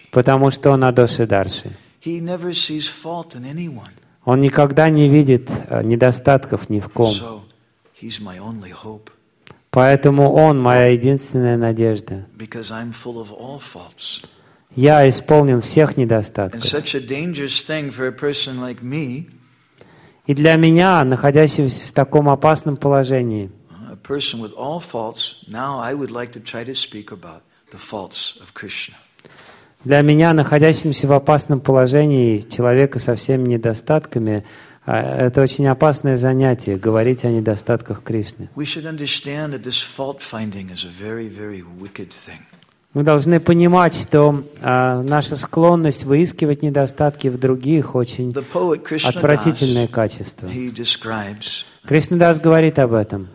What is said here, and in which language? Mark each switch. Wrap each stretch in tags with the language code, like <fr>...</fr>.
<ru>Потому что он адоша дарши.</ru> <en>He never sees fault in anyone.</en> <ru>Он никогда не видит недостатков ни в ком.</ru> <en>So he's my only hope.</en> <ru>Поэтому он моя единственная надежда.</ru> <en>Because I'm full of all faults.</en> <ru>Я исполнен всех недостатков.</ru> <en>And such a dangerous thing for a person like me.</en> <ru>И для меня, находящегося в таком опасном положении.</ru> <en>Person with all faults. Now I would like to try to speak about the faults of Krishna.</en> <ru>Для меня, находящимся в опасном положении человека со всеми недостатками, это очень опасное занятие говорить о недостатках Кришны.</ru> <en>We should understand that this fault finding is a very, very wicked thing.</en> <ru>Мы должны понимать, что наша склонность выискивать недостатки в других очень отвратительное качество.</ru> <en>He describes.</en> <ru>Кришнадас говорит об этом.</ru>